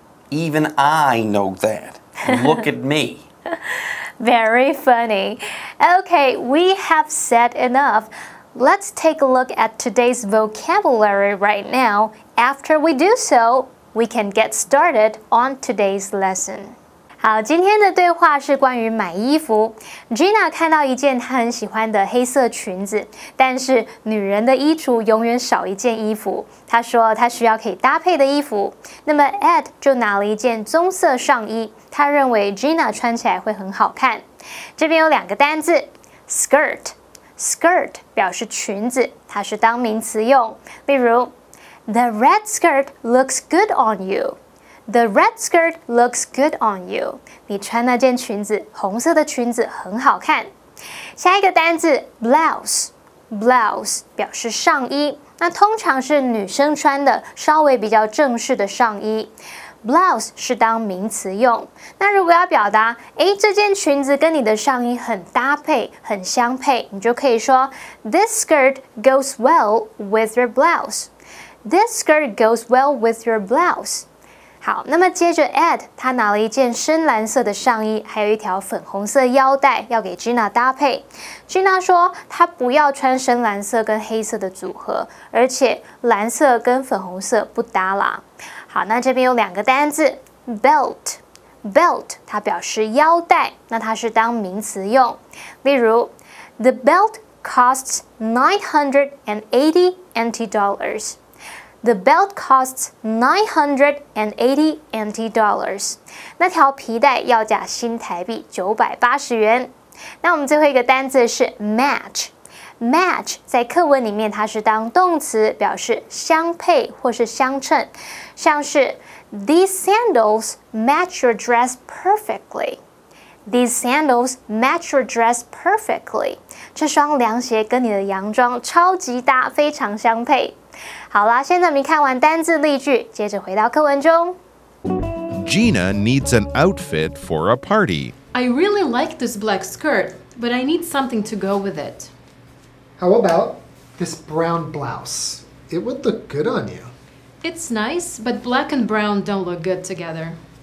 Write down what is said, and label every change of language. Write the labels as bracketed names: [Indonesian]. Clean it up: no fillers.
[English] Even I know that. Look at me. Very funny. Okay, we have said enough. Let's take a look at today's vocabulary right now. After we do so, we can get started on today's lesson. [Chinese] 好，今天的对话是关于买衣服。Gina 看到一件她很喜欢的黑色裙子，但是女人的衣橱永远少一件衣服。她说她需要可以搭配的衣服。那么 Ed 就拿了一件棕色上衣，他认为 Gina 穿起来会很好看。这边有两个单字 ，skirt。Skirt 表示裙子，它是当名词用。例如 [English] ，The red skirt looks good on you. The red skirt looks good on you. [Chinese] 你穿那件裙子，红色的裙子很好看。下一个单字 ，blouse。Blouse 表示上衣，那通常是女生穿的，稍微比较正式的上衣。 Blouse 是当名词用。那如果要表达，哎，这件裙子跟你的上衣很搭配，很相配，你就可以说 ， [English] This skirt goes well with your blouse. This skirt goes well with your blouse. [Chinese] 好，那么接着 Ed 他拿了一件深蓝色的上衣，还有一条粉红色腰带，要给 Gina 搭配。 Gina 说她不要穿深蓝色跟黑色的组合，而且蓝色跟粉红色不搭啦。好，那这边有两个单字 ，belt， 它表示腰带，那它是当名词用。例如 [English] ，the belt costs $980. The belt costs $980. [Chinese] 那条皮带要价新台币980元。那我们最后一个单字是 match。Match 在课文里面它是当动词，表示相配或是相称，像是 [English] These sandals match your dress perfectly. These sandals match your dress perfectly. [Chinese] 这双凉鞋跟你的洋装超级搭，非常相配。好啦，现在我们看完单字例句，接着回到课文中。 [English] Gina needs an outfit for a party. I really like this black skirt, but I need something to go with it. How about this brown blouse? It would look good on you. It's nice, but black and brown don't look good together.